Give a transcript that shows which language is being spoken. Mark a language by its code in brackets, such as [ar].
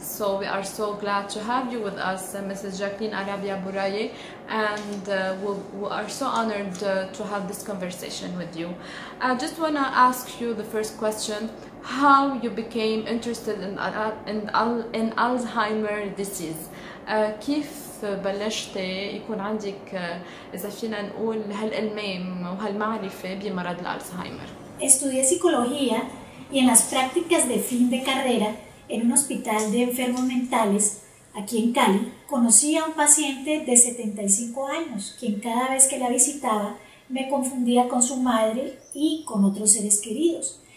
[en] So we are so glad to have you with us, Mrs. Jacqueline Arabia Bouraye, and we are so honored to have this conversation with you. I just want to ask you the first question: how you became interested in Alzheimer's disease? [ar] كيف بلشتي يكون عندك إذا فينا نقول هالإلمام وهالمعرفة بمرض الألزهايمر؟ [es] Estudié psicología y en las prácticas de fin de carrera en un hospital de enfermos mentales aquí en Cali conocí a un paciente de 75 años quien cada vez que la visitaba me confundía con su madre y con otros seres queridos.